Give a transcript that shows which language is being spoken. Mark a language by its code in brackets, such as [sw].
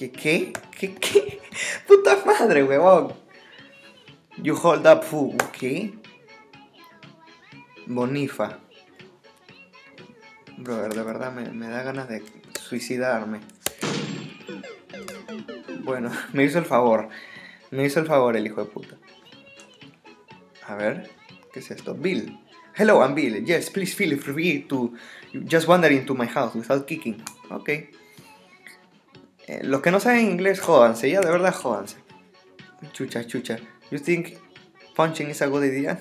[es] ¿Qué? ¡Puta madre, huevón! [en] You hold up, fool. [es] ¿Qué? Bonifa. Brother, de verdad me da ganas de suicidarme. Bueno, me hizo el favor. Me hizo el favor el hijo de puta. A ver, ¿qué es esto? [en] Bill. Hello, I'm Bill. Yes, please feel free to just wander into my house without kicking. Ok. [es] Los que no saben inglés, jódanse, ya de verdad jódanse. Chucha, chucha. [en] You think punching is a good idea?